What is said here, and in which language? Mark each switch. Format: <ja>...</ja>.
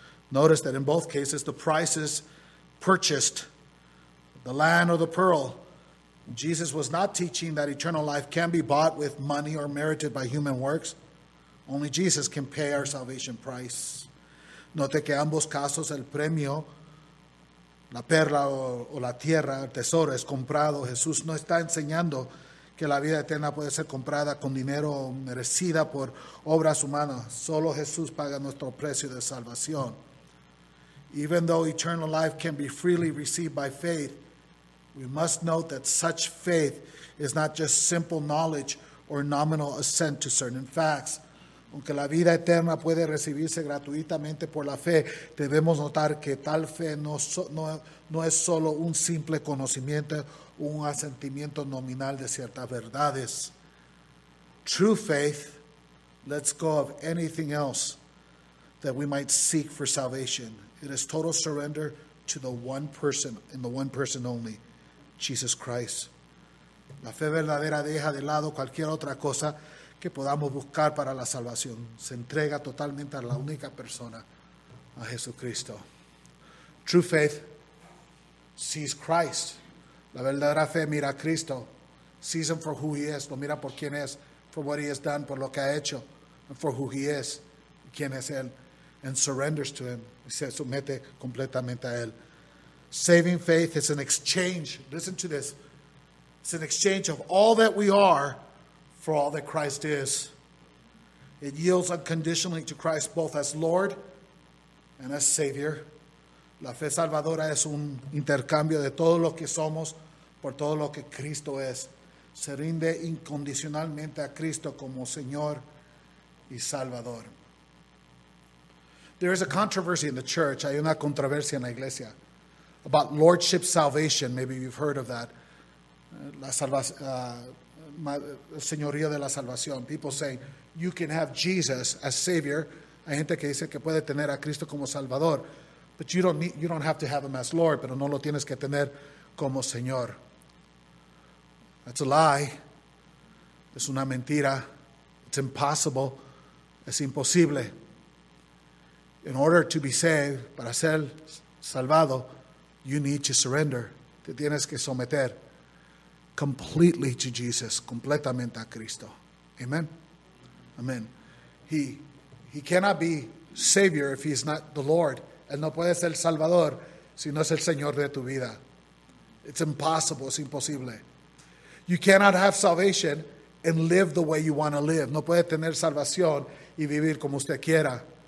<en>Notice that in both cases, the prices purchased, the land or the pearl, Jesus was not teaching that eternal life can be bought with money or merited by human works. Only Jesus can pay our salvation price.</en> <es>Note que ambos casos el premio, la perla o la tierra, el tesoro, es comprado. Jesús no está enseñando que la vida eterna puede ser comprada con dinero merecida por obras humanas. Solo Jesús paga nuestro precio de salvación.</es> <en>Even though eternal life can be freely received by faith, we must note that such faith is not just simple knowledge or nominal assent to certain facts.</en> <es>Aunque la vida eterna puede recibirse gratuitamente por la fe, debemos notar que tal fe no es solo un simple conocimiento o un asentimiento nominal de ciertas verdades.</es> <en>True faith lets go of anything else that we might seek for salvation. It is total surrender to the one person and the one person only, Jesus Christ.</en> <es>La fe verdadera deja de lado cualquier otra cosa que podamos buscar para la salvación. Se entrega totalmente a la única persona, a Jesucristo.</es> <en>True faith sees Christ.</en> <es>La verdadera fe mira a Cristo.</es> <en>Sees him for who he is.</en> <es>Lo mira por quién es.</es> <en>For what he has done,</en> <es>por lo que ha hecho.</es> <en>And for who he is.</en> <es>Quién es él.</es> <en>And surrenders to him.</en> <es>Y se somete completamente a él.</es> <en>Saving faith is an exchange. Listen to this. It's an exchange of all that we are for all that Christ is. It yields unconditionally to Christ both as Lord and as Savior.</en> <es>La fe salvadora es un intercambio de todo lo que somos por todo lo que Cristo es. Se rinde incondicionalmente a Cristo como Señor y Salvador.</es> <en>There is a controversy in the church,</en> <es>hay una controversia en la iglesia,</es> <en>about lordship salvation. Maybe you've heard of that.</en> <es>Señorío de la salvación.</es> <en>People say you can have Jesus as Savior.</en> <es>Hay gente que dice que puede tener a Cristo como Salvador,</es> <en>but you don't have to have him as Lord.</en> <es>Pero no lo tienes que tener como Señor.</es> <en>That's a lie.</en> <es>Es una mentira.</es> <en>It's impossible.</en> <es>Es imposible.</es> <en>In order to be saved,</en> <es>para ser salvado,</es> <en>you need to surrender.</en> <es>Te tienes que someter</es> <en>completely to Jesus,</en> <es>completamente a Cristo. Amen? Amen.</es> <en>He cannot be Savior if he is not the Lord.</en> <es>Él no puede ser Salvador si no es el Señor de tu vida.</es> <en>It's impossible. It's imposible. You cannot have salvation and live the way you want to live.</en> <es>No puede tener salvación y vivir como usted quiera.</es>